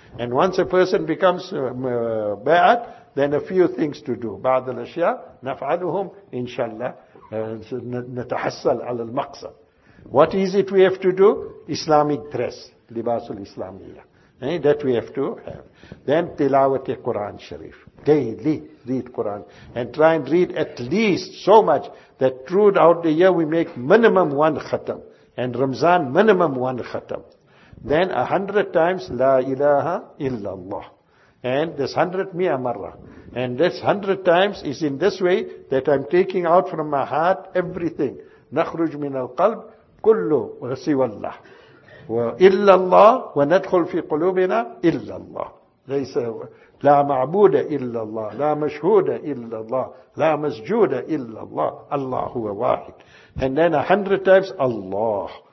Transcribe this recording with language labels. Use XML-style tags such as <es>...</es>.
<en>And once a person becomes bayat, then a few things to do.</en> <ar>بعض الأشياء نفعلهم إن شاء الله نتحصل على المقصد.</ar> <en>What is it we have to do? Islamic dress,</en> <ar>libasul Islamiyya.</ar> <en>That we have to have. Then tilawat Quran Sharif. Daily read Quran. And try and read at least so much that throughout the year we make minimum one khatam. And Ramzan minimum one khatam. Then 100 times la ilaha illallah. And this 100</en> <ar>mi'a marra.</ar> <en>And this 100 times is in this way that I'm taking out from my heart everything.</en> <ar>Nakhruj min al-qalb kullu siwallah. وإلا الله وندخل في قلوبنا إلا الله ليس لا معبود إلا الله لا مشهود إلا الله لا مسجود إلا الله الله هو واحد</ar> <en>and then 100 times</en> <ar>الله</ar>